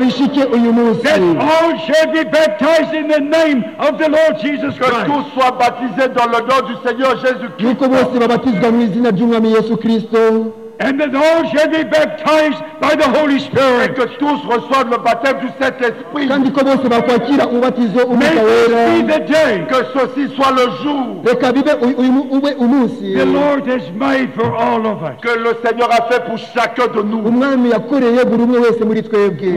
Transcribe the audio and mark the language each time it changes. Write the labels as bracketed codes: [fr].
[en] all shall be baptized in the name of the Lord Jesus Christ. [fr] Que tous soient baptisés dans le nom du Seigneur Jésus Christ. [en] And that all shall be baptized by the Holy Spirit. [fr] Et que tous reçoivent le baptême du Saint-Esprit. Quand ils commencent à partir, on baptise au moins. [en] May this be the day. [fr] Que ceci soit le jour. [en] The Lord has made for all of us. [fr] Que le Seigneur a fait pour chacun de nous. [rw] Umwami yakoreye buri umwe wese muri twebwe.